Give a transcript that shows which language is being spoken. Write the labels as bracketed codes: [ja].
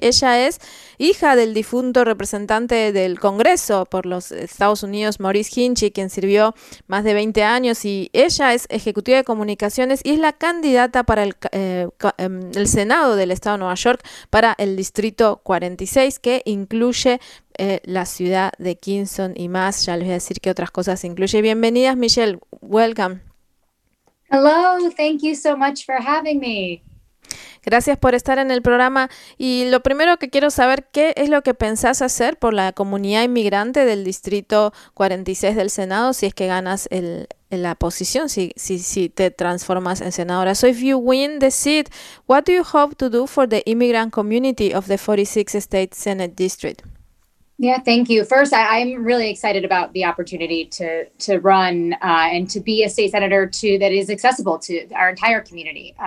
[es] Ella es hija del difunto representante del Congreso por los Estados Unidos, Maurice Hinchy, quien sirvió más de 20 años. Y ella es ejecutiva de comunicaciones y es la candidata para el Senado del Estado de Nueva York para el Distrito 46, que incluye la ciudad de Kingston y más. Ya les voy a decir qué otras cosas incluye. Bienvenidas, Michelle. [en] Welcome. Hello, thank you so much for having me. [es] Gracias por estar en el programa. Y lo primero que quiero saber, ¿qué es lo que pensás hacer por la comunidad inmigrante del Distrito 46 del Senado si es que ganas la posición, si te transformas en senadora? [en] So if you win the seat, what do you hope to do for the immigrant community of the 46th State Senate District? Yeah, thank you. First, I'm really excited about the opportunity to run and to be a state senator that is accessible to our entire community.